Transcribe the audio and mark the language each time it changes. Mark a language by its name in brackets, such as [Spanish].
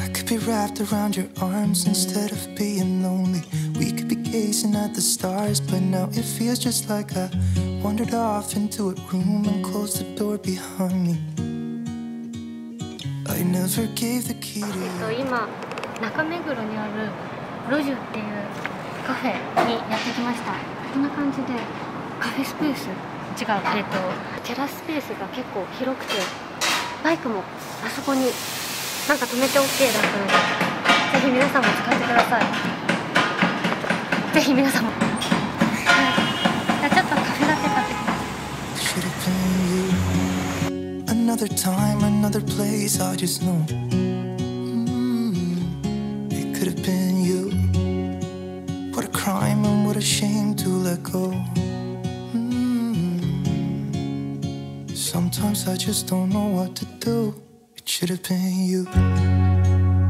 [English] Be wrapped around your arms instead of being lonely. We could be gazing at the stars, but now it feels just like I wandered off into a room and closed the door behind me. I never gave the key to you. [Japanese] 今中目黒にあるロジュっていうカフェにやってきました。こんな感じでカフェスペース、違う、テラススペースが結構広くて、バイクもあそこになんか止めて OK だったので、ぜひ皆さんも使ってください。ぜひ皆さんもじゃあちょっとカフェラテ買ってきます。 [English] Another time, another place, I just know、it could have been you. What a crime and what a shame to let go、sometimes I just don't know what to doShould have been you.